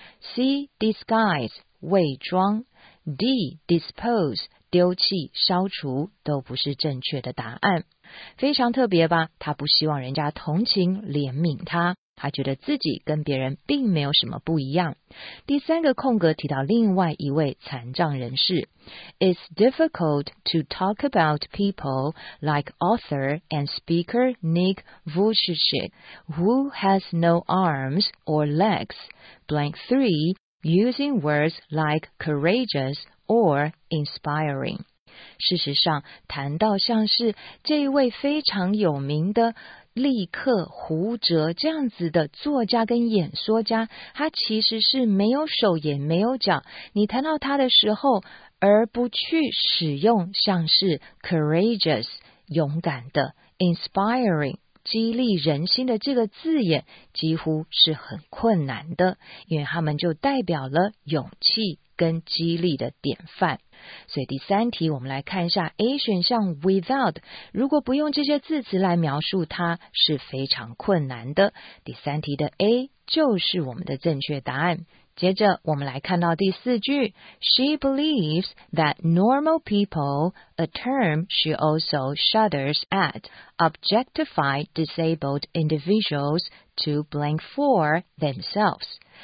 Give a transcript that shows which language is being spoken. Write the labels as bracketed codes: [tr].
[zh] C disguise 伪装， D dispose 丢弃消除，都不是正确的答案。非常特别吧，他不希望人家同情怜悯他，他觉得自己跟别人并没有什么不一样。 [en] 第三个空格提到另外一位残障人士 It's difficult to talk about people like author and speaker Nick Vujicic who has no arms or legs blank three using words like courageous or inspiring [zh] 事实上，谈到像是这一位非常有名的立刻胡哲这样子的作家跟演说家，他其实是没有手也没有脚，你谈到他的时候而不去使用像是 courageous 勇敢的 inspiring 激励人心的这个字眼，几乎是很困难的，因为他们就代表了勇气跟激励的典范。所以第三题我们来看一下 A 选项 without， 如果不用这些字词来描述它是非常困难的，第三题的 A 就是我们的正确答案。接着我们来看到第四句， [en] She believes that normal people, a term she also shudders at, objectify disabled individuals to blame for themselves。